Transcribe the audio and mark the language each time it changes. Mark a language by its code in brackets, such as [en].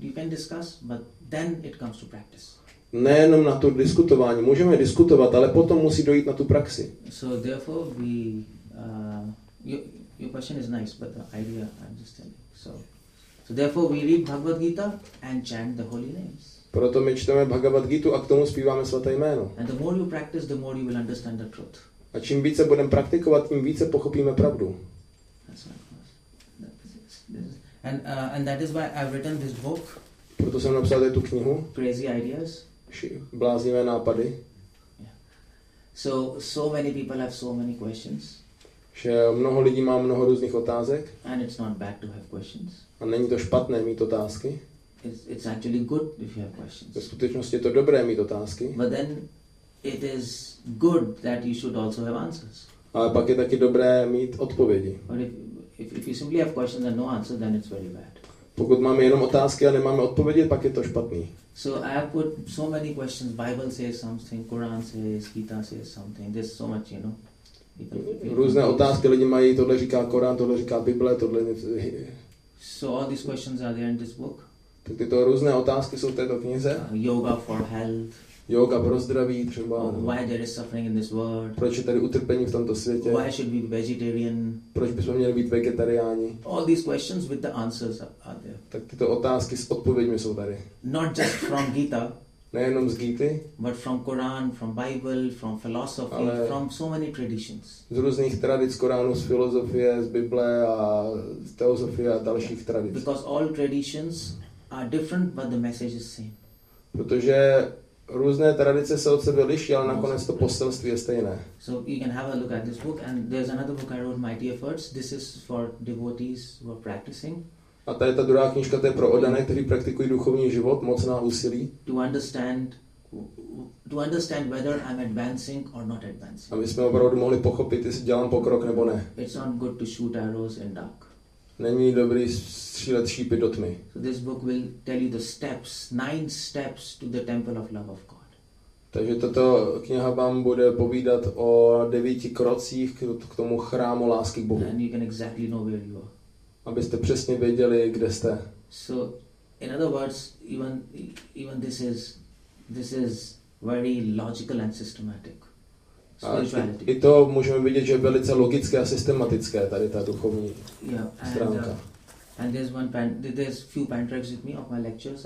[en] You can discuss, but then it comes to practice. [cs] Nejenom na to diskutování. Můžeme diskutovat, ale potom musí dojít na tu praxi. [en] So therefore we your question is nice, but the idea I'm just telling. So therefore we read Bhagavad Gita and chant the holy names. [cs] Proto my čteme Bhagavad Gitu a k tomu zpíváme svaté jméno. [en] And the more you practice, the more you will understand the truth. [cs] A čím více budeme praktikovat, tím více pochopíme pravdu. [en] That's what it was. And that is why I've written this book. [cs] Proto jsem napsal tu knihu. [en] Crazy ideas. [cs] Bláznivé nápady. [en] Yeah. So many people have so many questions. [cs] Že mnoho lidí má mnoho různých otázek. [en] And it's not bad to have questions. [cs] A není to špatné mít otázky. [en] It's actually good if you have questions. [cs] Ve skutečnosti je to dobré mít otázky. [en] But then it is good that you should also have answers. [cs] Ale pak je taky dobré mít odpovědi. [en] But if you simply have questions and no answers, then it's very bad. [cs] Pokud máme jenom otázky a nemáme odpovědi, pak je to špatný. [en] So I have put so many questions. Bible says something, Quran says, Gita says something. There's so much, you know. [cs] Různé otázky lidi mají, tohle říká Korán, tohle říká Bible, tohle. [en] So all these questions are there in this book. [cs] Tak tyto různé otázky jsou v této knize. [en] Yoga for health. [cs] Yoga pro zdraví třeba. [en] Why there is suffering in this world. [cs] Proč je tady utrpení v tomto světě. [en] Why should we be vegetarian. [cs] Proč bychom měli být vegetariáni. [en] All these questions with the answers are there. [cs] Tak tyto otázky s odpověďmi jsou tady. [en] Not just from Gita. [cs] Nejenom z Gýty, [en] but from Quran, from Bible, from philosophy, from so many traditions. [cs] Z různých tradic Koránu, z filozofie, z Bible a z teozofie a dalších tradic. [en] Because all traditions are different, but the message is same. [cs] Protože různé tradice se od sebe liší, ale nakonec to poselství je stejné. [en] So you can have a look at this book, and there's another book I wrote, Mighty Efforts. This is for devotees who are practicing. [cs] A tady ta druhá knížka, to je pro oddané, kteří praktikují duchovní život, mocná úsilí. [en] To understand whether I'm advancing or not advancing. [cs] Aby jsme opravdu mohli pochopit, jestli dělám pokrok nebo ne. [en] It's not good to shoot arrows in dark. [cs] Není dobrý střílet šípy do tmy. [en] So this book will tell you the steps, 9 steps to the temple of love of God. [cs] Takže tato kniha vám bude povídat o 9 krocích k tomu chrámu lásky k Bohu. [en] And you can exactly know where you are. [cs] Abyste přesně věděli, kde jste. [en] So, in other words, even this is very logical and systematic. [cs] I to můžeme vidět, že je velice logické a systematické tady ta duchovní stránka. [en] And there's there's few pantracks with me of my lectures.